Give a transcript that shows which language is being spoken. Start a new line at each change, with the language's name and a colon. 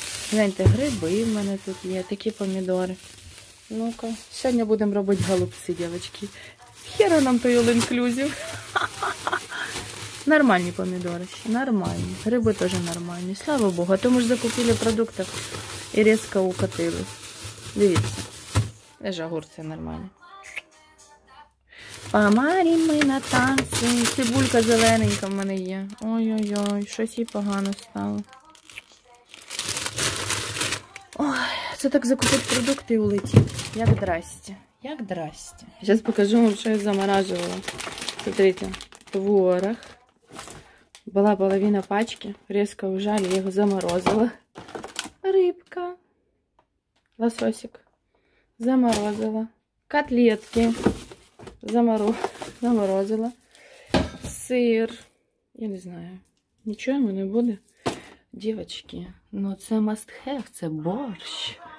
Russian: Гляньте, грибы у меня тут есть. Такие помидоры. Ну-ка, сегодня будем делать голубцы, девочки. Хера нам той all-inclusive. Нормальные помидоры. Нормальные. Грибы тоже нормальные. Слава Богу, а то мы же закупили продуктов и резко укатили.
Ukrainian: Дивіться, це ж огурці нормальні. Помарим ми на танці. Цибулька зелененька в мене є. Ой-ой-ой, щось їй погано стало. Ой, це так закупити продукти і улетіть. Як драсті, як драсті. Зараз покажу вам, що я замораживала.
Russian: Смотрите, творог.
Ukrainian: Була половина пачки, різко вжали, я його заморозила. Рибка.
Russian: Лососик заморозила, котлетки заморозила, сыр, я не знаю, ничего ему не будет. Девочки, ну это must have, это борщ.